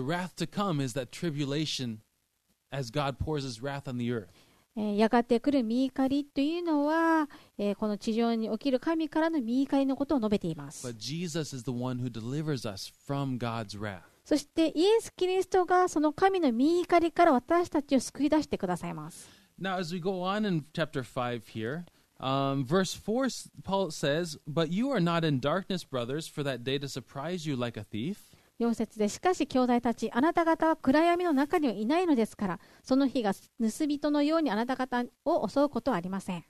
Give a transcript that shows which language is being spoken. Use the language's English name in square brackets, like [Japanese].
[English] The wrath to come is that tribulation as God pours his wrath on the earth. [Japanese] やがて来る身怒りというのは、この地上に起きる神からの身怒りのことを述べています。 [English] But Jesus is the one who delivers us from God's wrath. [Japanese] そしてイエス・キリストがその神の御怒りから私たちを救い出してくださいます。 [English] Now, as we go on in chapter 5 here, verse 4, Paul says, But you are not in darkness, brothers, for that day to surprise you like a thief. [Japanese] 4節で、しかし兄弟たち、あなた方は暗闇の中にはいないのですから、その日が盗人のようにあなた方を襲うことはありません。